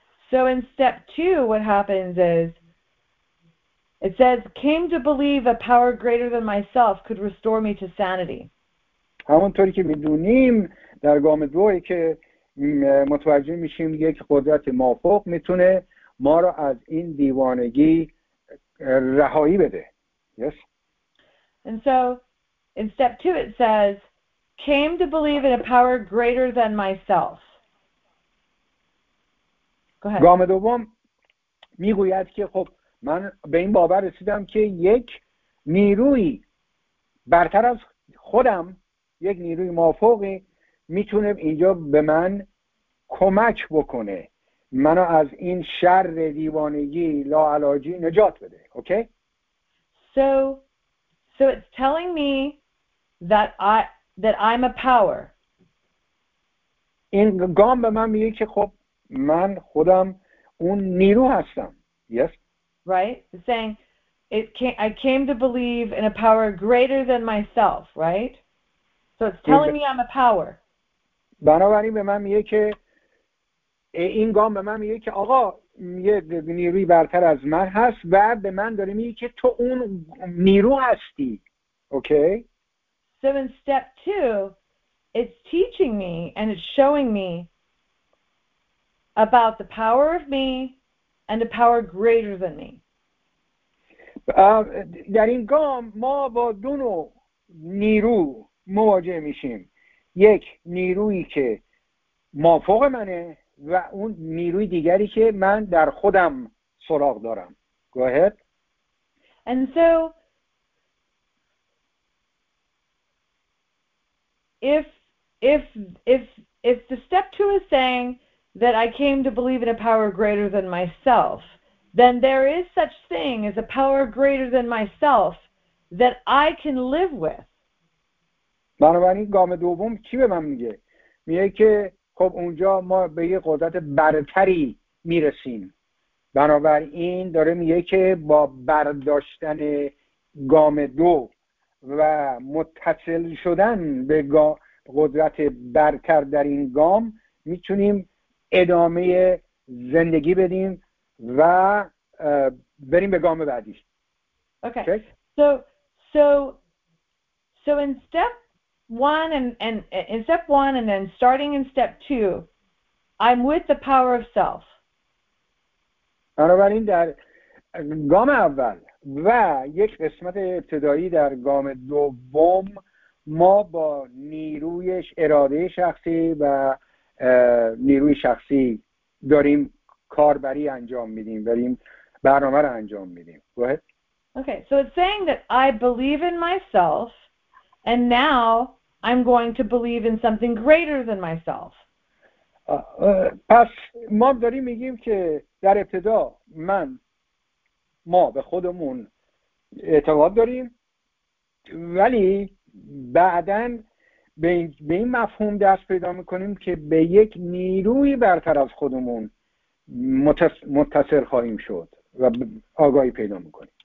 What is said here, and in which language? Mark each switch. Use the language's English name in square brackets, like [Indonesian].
[English] So in step two, what happens is, it says, came to believe a power greater than myself could restore me to sanity. [Persian] همونطوری که میدونیم در گام دوی که متوجه میشیم یک قدرت مافوق میتونه ما را از این دیوانگی رهایی بده. [English] Yes. And so in step two it says, came to believe in a power greater than myself. Go ahead. [Persian] گام دوم میگوید که خب من به این باور رسیدم که یک نیروی برتر از خودم، یک نیروی مافوقی میتونه اینجا به من کمک بکنه، منو از این شر دیوانگی لاعلاجی نجات بده. [English] Okay? So it's telling me that I'm a power. [Persian] این گام به من میگه که خب من خودم اون نیرو هستم. [English] Yes. Right? It's saying I came to believe in a power greater than myself, right? So it's telling me I'm a power. [Persian] بنابراین به من میگه که این گام به من میگه که آقا یه نیروی برتر از من هست و به من داره میگه که تو اون نیرو هستی. [English] Okay. So in step two, it's teaching me and it's showing me about the power of me and a power greater than me. [Persian] در این گام ما با دو نوع نیرو مواجه میشیم. یک نیرویی که مافوق منه و اون نیروی دیگری که من در خودم سراغ دارم. [English] Go ahead. And so if the step two is saying that I came to believe in a power greater than myself, then there is such thing as a power greater than myself that I can live with. [Persian] بنابراین گام دوم چی به من میگه؟ میگه که خب اونجا ما به یه قدرت برتری میرسیم. بنابراین داره میگه که با برداشتن گام دو و متصل شدن به قدرت برتر در این گام میتونیم ادامه زندگی بدیم و بریم به گام بعدی. [English] Okay. So in step one and then starting in step two, I'm with the power of self. [Persian] بنابراین در گام اول و یک قسمت ابتدایی در گام دوم ما با نیروی اراده شخصی و نیروی شخصی داریم کاربری انجام میدیم، داریم برنامه رو انجام میدیم. [English] Go ahead. Okay, so it's saying that I believe in myself and now I'm going to believe in something greater than myself. [Persian] پس ما داریم میگیم که در ابتدا ما به خودمون اعتقاد داریم، ولی بعداً به این مفهوم دست پیدا میکنیم که به یک نیروی برتر از خودمون متصل خواهیم شد و آگاهی پیدا میکنیم.